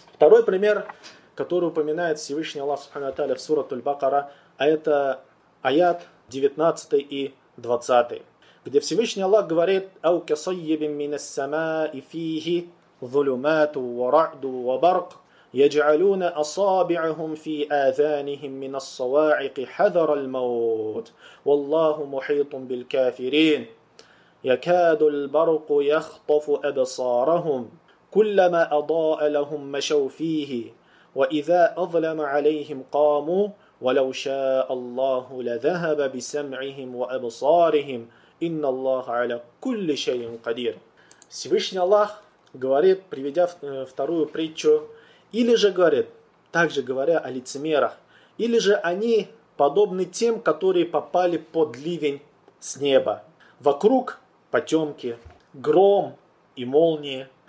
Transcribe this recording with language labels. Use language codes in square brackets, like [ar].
[ru] Второй пример, который упоминает Всевышний Аллах Субхану ва Тааля в сурат Аль-Бакара, а это аят 19 и 20, где Всевышний Аллах говорит: [ar] «Ау касайибин минас самаи фихи зулумату ва ра'ду ва барк, яджалуна асабиахум фи азанихим минас саваиқи хазар аль-маут, валлаху мухитун бил кафирин, якаду аль-барку яхтафу абсарахум». كلما أضاء لهم مشوا فيه وإذا أظلم عليهم قاموا ولو شاء الله لذهب بسمعهم وأبصارهم إن الله على كل شيء قدير. [ru] Всевышний Аллах говорит, приведя вторую притчу, или же говорит, также говоря о лицемерах, или же они подобны тем, которые попали под ливень с неба. Вокруг потемки, гром и молнии.